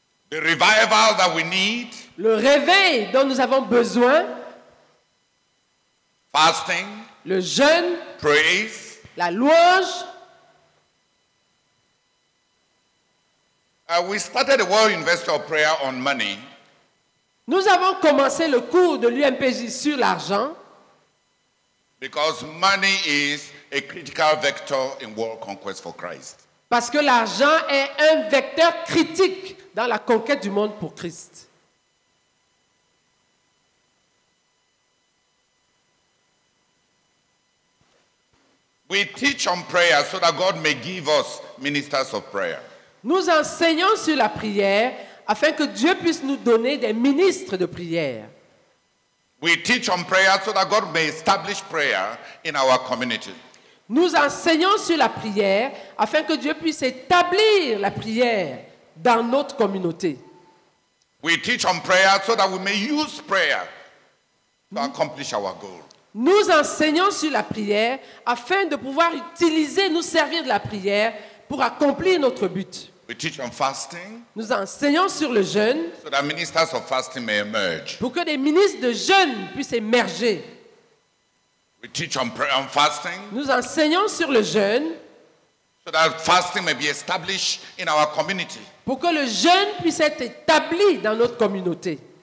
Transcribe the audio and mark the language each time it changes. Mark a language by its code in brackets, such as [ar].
[en] the revival that we need, [fr] le réveil dont nous avons besoin, [en] fasting, [fr] le jeûne, [en] praise, [fr] la louange. [en] We started the World University of Prayer on money. [fr] Nous avons commencé le cours de l'UMPJ sur l'argent. [en] Because money is a critical vector in world conquest for Christ. [fr] Parce que l'argent est un vecteur critique dans la conquête du monde pour Christ. [en] We teach on prayer so that God may give us ministers of prayer. [fr] Nous enseignons sur la prière afin que Dieu puisse nous donner des ministres de prière. [en] We teach on prayer so that God may establish prayer in our community. [fr] Nous enseignons sur la prière afin que Dieu puisse établir la prière dans notre communauté. [en] We teach on prayer so that we may use prayer to accomplish our goal. [fr] Nous enseignons sur la prière afin de pouvoir utiliser, nous servir de la prière pour accomplir notre but. [en] We teach on fasting, [fr] nous enseignons sur le jeûne, [en] so that ministers of fasting may emerge, [fr] pour que des ministres de jeûne puissent émerger. [en] We teach on prayer and fasting, [fr] nous enseignons sur le jeûne, [en] so that fasting may be established in our community, [fr] pour que le jeûne puisse être établi dans notre communauté.